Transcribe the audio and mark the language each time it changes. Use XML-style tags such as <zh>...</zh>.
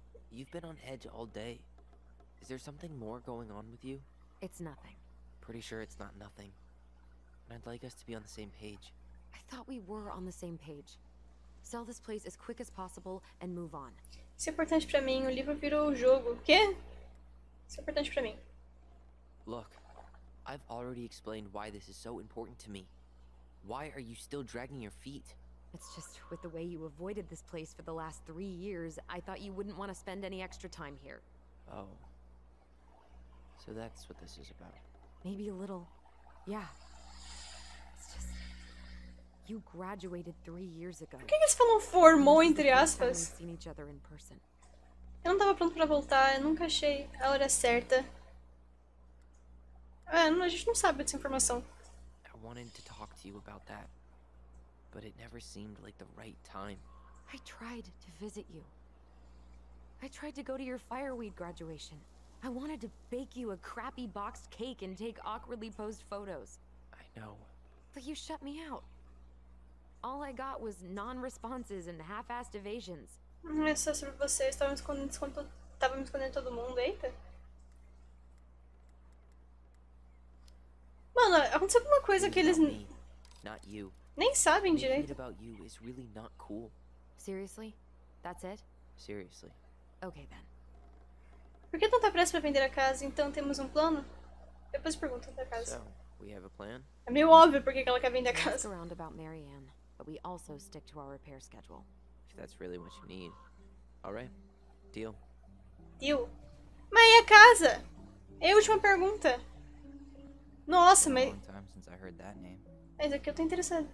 <en>You've been on edge all day. Is there something more going on with you? It's nothing. Pretty sure it's not nothing. And I'd like us to be on the same page. I thought we were on the same page. Sell this place as quick as possible and move on.</en> <pt>Isso é importante pra mim. O livro virou o jogo. O quê? Isso é importante pra mim.</pt> <en>Look, I've already explained why this is so important to me. Why are you still dragging your feet? It's just, with the way you avoided this place for the last 3 years, I thought you wouldn't want to spend any extra time here. Oh. So that's what this is about. Maybe a little. Yeah. It's just... You graduated 3 years ago.</en> <pt>Por que eles falam formou, entre aspas? Eu não tava pronto pra voltar, eu nunca achei a hora certa. Ah, não, a gente não sabe dessa informação. Eu queria falar com você sobre isso.</pt> <en>But it never seemed like the right time. I tried to visit you. I tried to go to your fireweed graduation. I wanted to bake you a crappy boxed cake and take awkwardly posed photos. I know. But you shut me out. All I got was non-responses and half-assed evasions.</en> <pt>Não é só sobre você, estava me escondendo todo mundo, eita. Mano, aconteceu alguma coisa que eles...</pt> <en>Not you.</en> <pt>Nem sabem direito.</pt> <en>What about you is really not cool. Seriously? That's it? Seriously. Okay then.</en> <pt>Por que tanta pressa para vender a casa? Então temos um plano? Depois pergunto da casa.</pt> <en>So, we have a plan.</en> <pt>É meio óbvio porque ela quer vender a casa.</pt> <en>Around about Marianne, but we also stick to our repair schedule. If that's really what you need. All right. Deal.</en> <pt>Deal. Mas e a casa? É a última pergunta. Nossa, mas...</pt> <en>A long time since I heard that name.</en> <pt>Mas aqui eu tô interessado.</pt>